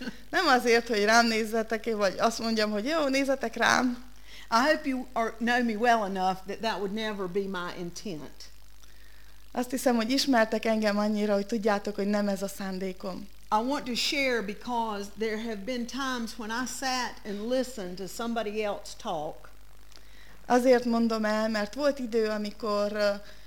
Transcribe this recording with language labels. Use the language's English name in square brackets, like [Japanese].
[Hungarian] Nem azért, hogy rám nézzetek, vagy azt mondjam, hogy jó, nézzetek rám. [English] I hope you know me well enough that that would never be my intent. [Hungarian] Azt hiszem, hogy ismertek engem annyira, hogy tudjátok, hogy nem ez a szándékom. [English] I want to share because there have been times when I sat and listened to somebody else talk. [Hungarian] Azért mondom el, mert volt idő, amikor